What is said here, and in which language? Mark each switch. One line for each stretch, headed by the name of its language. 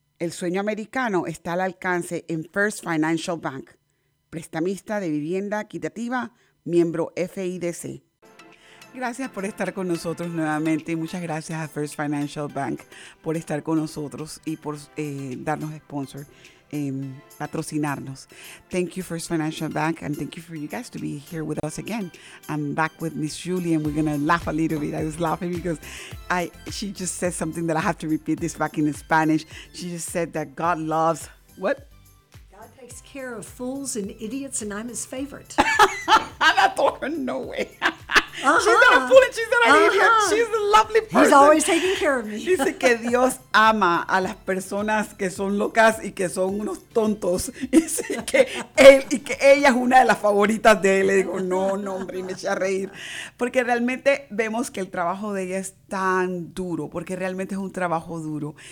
Spanish: El sueño americano está al alcance en First Financial Bank. Prestamista de vivienda equitativa, miembro FIDC. Gracias por estar con nosotros nuevamente y muchas gracias a First Financial Bank por estar con nosotros y por darnos sponsor. Patrocinarnos.
English: Thank you, First Financial Bank, and thank you for you guys to be here with us again. I'm back with Miss Julie, and we're gonna laugh a little bit. I was laughing because she just said something that I have to repeat this back in Spanish. She just said that God loves what? God takes care of fools and idiots, and I'm his favorite. And I told her, no way. Uh-huh. She's not a fool and she's not an idiot. She's a lovely person. He's always taking care of me.
Spanish: Dice que Dios ama a las personas que son locas y que son unos tontos. Dice que él y que ella es una de las favoritas de él. Le digo, no, no, hombre, y me eché a reír. Porque realmente vemos que el trabajo de ella es tan duro, porque realmente es un trabajo duro.